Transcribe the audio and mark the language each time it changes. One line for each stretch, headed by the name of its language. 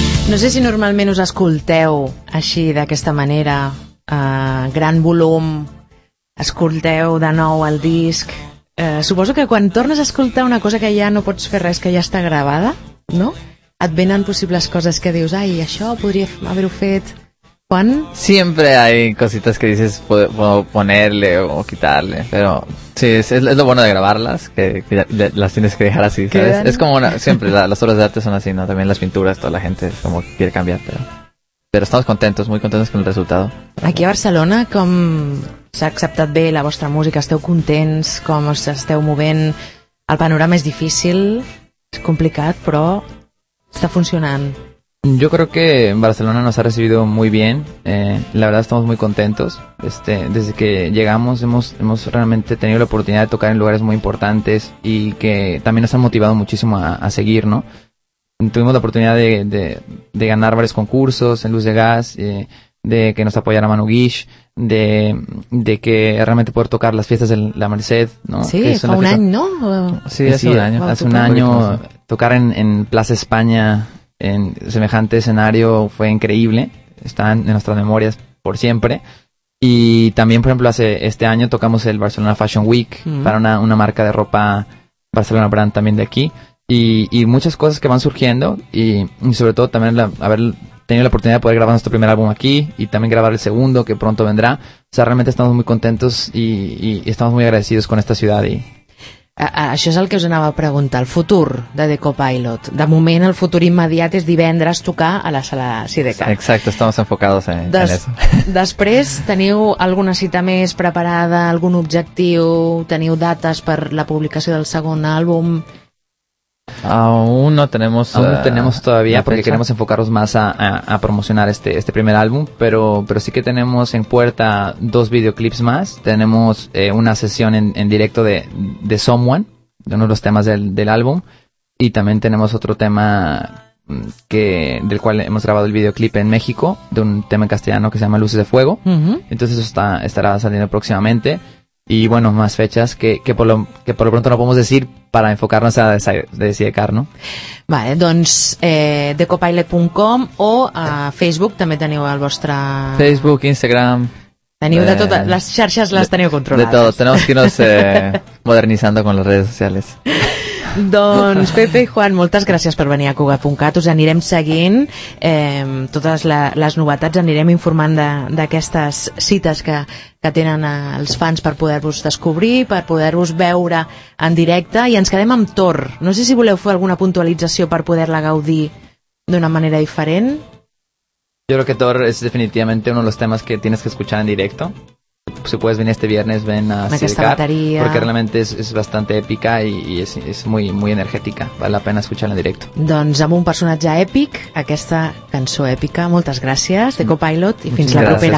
Catalan: No sé si normalment us escolteu així, d'aquesta manera, gran volum, escolteu de nou el disc, Suposo que quan tornes a escoltar una cosa que ja no pots fer res, que ja està gravada, no? Et venen possibles coses que dius, ai, això podria haver-ho fet... Juan?
Spanish: Siempre hay cositas que dices, puedo ponerle o quitarle, pero sí, es lo bueno de grabarlas, que las tienes que dejar así, ¿sabes? Es como una, siempre, las obras de arte son así, ¿no? También las pinturas, toda la gente como quiere cambiar, pero estamos contentos, muy contentos con el resultado.
Catalan: Aquí a Barcelona, ¿com s'ha acceptat bé la vostra música? ¿Esteu contents? ¿Com us esteu movent? El panorama és difícil, és complicat, però està funcionant.
Spanish: Yo creo que Barcelona nos ha recibido muy bien, la verdad estamos muy contentos, desde que llegamos hemos realmente tenido la oportunidad de tocar en lugares muy importantes y que también nos han motivado muchísimo a seguir, ¿no? Tuvimos la oportunidad de ganar varios concursos en Luz de Gas, de que nos apoyara Manu Guix, de que realmente poder tocar las fiestas de la Merced, ¿no? Sí, fue un año, ¿no? Sí, hace un año. Hace un año tocar en Plaza España... En semejante escenario fue increíble, están en nuestras memorias por siempre. Y también, por ejemplo, hace este año tocamos el Barcelona Fashion Week para una marca de ropa Barcelona Brand también de aquí. Y muchas cosas que van surgiendo y sobre todo también haber tenido la oportunidad de poder grabar nuestro primer álbum aquí y también grabar el segundo que pronto vendrá. O sea, realmente estamos muy contentos y estamos muy agradecidos con esta ciudad y...
Catalan: Això és el que us anava a preguntar, el futur de The Copilot. De moment, el futur immediat és divendres tocar a la sala Sideca.
Spanish: Exacte, estamos enfocados en eso.
Catalan: Després, teniu alguna cita més preparada, algun objectiu, teniu dates per la publicació del segon àlbum?
Spanish: Aún no tenemos, todavía, porque queremos enfocarnos más a promocionar este primer álbum, pero sí que tenemos en puerta dos videoclips más. Tenemos una sesión en directo de Someone, de uno de los temas del álbum, y también tenemos otro tema del cual hemos grabado el videoclip en México, de un tema en castellano que se llama Luces de Fuego. Uh-huh. Entonces eso estará saliendo próximamente. Y bueno, más fechas que por lo pronto no podemos decir para enfocarnos a Sidecar, ¿no?
Catalan: Vale, doncs thecopilot.com o a Facebook també teniu el vostre... Facebook, Instagram... Teniu de totes, les xarxes les teniu controlades.
Spanish: De todo, tenemos que irnos modernizando con las redes sociales.
Catalan: Doncs Pepe i Juan, moltes gràcies per venir a Cuga.cat. Us anirem seguint totes les novetats, anirem informant d'aquestes cites que tenen els fans per poder-vos descobrir, per poder-vos veure en directe, i ens quedem amb Tor. No sé si voleu fer alguna puntualització per poder-la gaudir d'una manera diferent.
Spanish: Yo creo que Tor es definitivamente uno de los temas que tienes que escuchar en directo. Si puedes venir este viernes, ven a Sidecar, porque realmente es bastante épica y es muy, muy energética. Vale la pena escucharla en directo.
Catalan: Doncs amb un personatge èpic, aquesta cançó èpica. Moltes gràcies, The Copilot, i fins la propera.